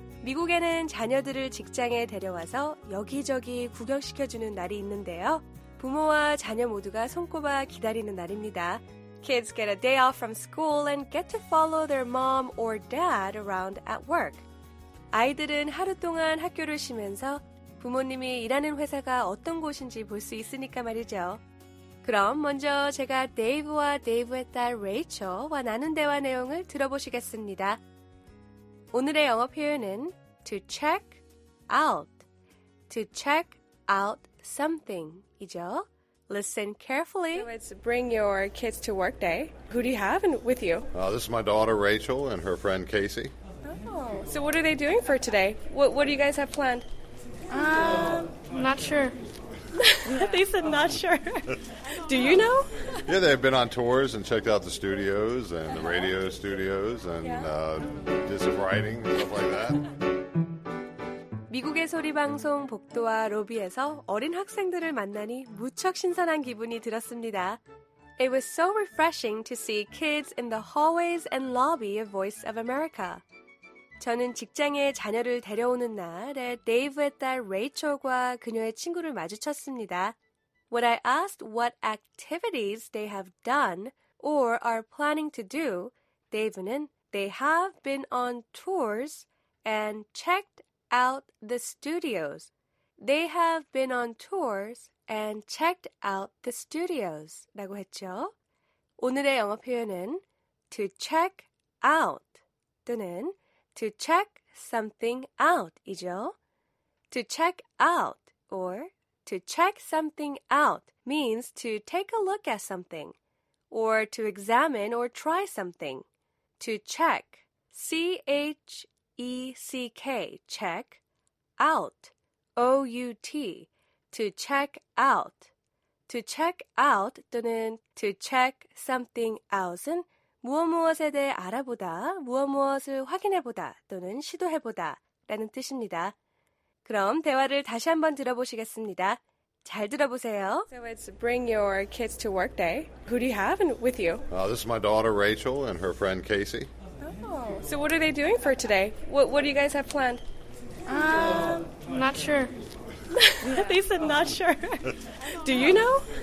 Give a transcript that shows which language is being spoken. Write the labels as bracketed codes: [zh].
[ko] 미국에는 자녀들을 직장에 데려와서 여기저기 구경시켜주는 날이 있는데요. 부모와 자녀 모두가 손꼽아 기다리는 날입니다. [en] Kids get a day off from school and get to follow their mom or dad around at work. [ko] 아이들은 하루 동안 학교를 쉬면서 부모님이 일하는 회사가 어떤 곳인지 볼 수 있으니까 말이죠. 그럼 먼저 제가 데이브와 데이브의 딸 레이첼과 나눈 대화 내용을 들어보시겠습니다. 오늘의 영어 표현은 to check out, to check out something이죠. [en] Listen carefully. So it's bring your kids to work day. Who do you have with you? This is my daughter Rachel and her friend Casey. Oh. So what are they doing for today? What do you guys have planned? Not sure. They said not sure. Do you know? Yeah, they've been on tours and checked out the studios and the radio studios and did some writing and stuff like that. [ko] 미국의 소리 방송 복도와 로비에서 어린 학생들을 만나니 무척 신선한 기분이 들었습니다. [en] It was so refreshing to see kids in the hallways and lobby of Voice of America. [ko] 저는 직장에 자녀를 데려오는 날에 데이브의 딸 레이첼과 그녀의 친구를 마주쳤습니다. [en] When I asked what activities they have done or are planning to do, [ko] 데이브는 [en] they have been on tours and checked out the studios. They have been on tours and checked out the studios. [ko] 라고 했죠. 오늘의 영어 표현은 [en] to check out [ko] 또는 [en] to check something out [ko] 이죠. [en] To check out or to check something out means to take a look at something or to examine or try something. To check, C-H-E-C-K, check out, O-U-T, to check out. To check out [ko] 또는 [en] to check something out [ko] 은 무엇무엇에 대해 알아보다, 무엇무엇을 확인해보다 또는 시도해보다 라는 뜻입니다. 그럼 대화를 다시 한번 들어보시겠습니다. 잘 들어보세요. [en] So it's bring your kids to work day. Who do you have with you? This is my daughter Rachel and her friend Casey. So what are they doing for today? What do you guys have planned? Not sure. They said not sure. Do you know?